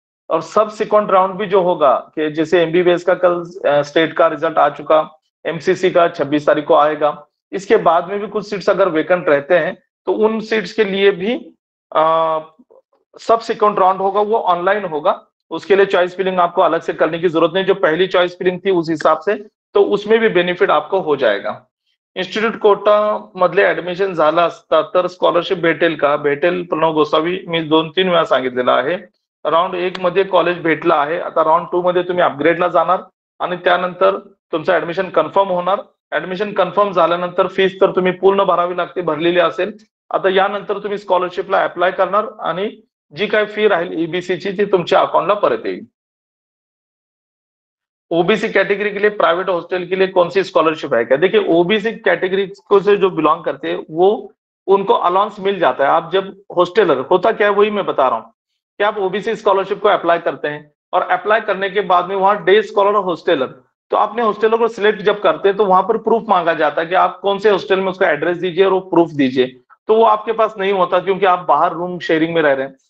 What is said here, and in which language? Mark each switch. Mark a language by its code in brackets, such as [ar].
[hi] और subsequent round भी जो होगा कि जैसे MBBS का कल स्टेट का रिजल्ट आ चुका, MCC का 26 तारीख को आएगा, इसके बाद में भी कुछ सीट्स अगर वेकेंट रहते हैं तो उन सीट्स के लिए भी सबसिक्वेंट राउंड होगा, वो ऑनलाइन होगा, उसके लिए चॉइस फिलिंग आपको अलग से करने की जरूरत नहीं, जो पहली चॉइस फिलिंग थी उस हिसाब से, तो उसमें भी बेनिफिट आपको हो जाएगा। [mr] इंस्टिट्यूट कोटा मधले ऍडमिशन झाला असता तर स्कॉलरशिप भेटेल का? भेटेल प्रणव गोसावी, मी 2-3 वेळा सांगितलेला आहे, राउंड 1 मध्ये कॉलेज भेटलं आहे, आता राउंड 2 मध्ये तुम्ही अपग्रेडला जाणार आणि त्यानंतर तुमचं ऍडमिशन कन्फर्म होणार। ऍडमिशन कन्फर्म झाल्यानंतर फीस तर तुम्ही पूर्ण भरावी लागते, भरलेली असेल, आता यानंतर तुम्ही स्कॉलरशिपला अप्लाय करणार आणि जी काय फी राहील EBC ची ती तुमच्या अकाउंटला परत येईल। [hi] ओबीसी कैटेगरी के लिए प्राइवेट हॉस्टल के लिए कौन सी स्कॉलरशिप है क्या? देखिए, ओबीसी कैटेगरी को से जो बिलोंग करते हैं वो उनको अलाउंस मिल जाता है, आप जब हॉस्टेलर होता क्या है वही मैं बता रहा हूँ कि आप ओबीसी स्कॉलरशिप को अप्लाई करते हैं और अप्लाई करने के बाद में वहाँ डे स्कॉलर और हॉस्टेलर, तो आपने हॉस्टेलर को सिलेक्ट जब करते हैं तो वहां पर प्रूफ मांगा जाता है कि आप कौन से हॉस्टेल में, उसका एड्रेस दीजिए और वो प्रूफ दीजिए, तो वो आपके पास नहीं होता क्योंकि आप बाहर रूम शेयरिंग में रह रहे हैं।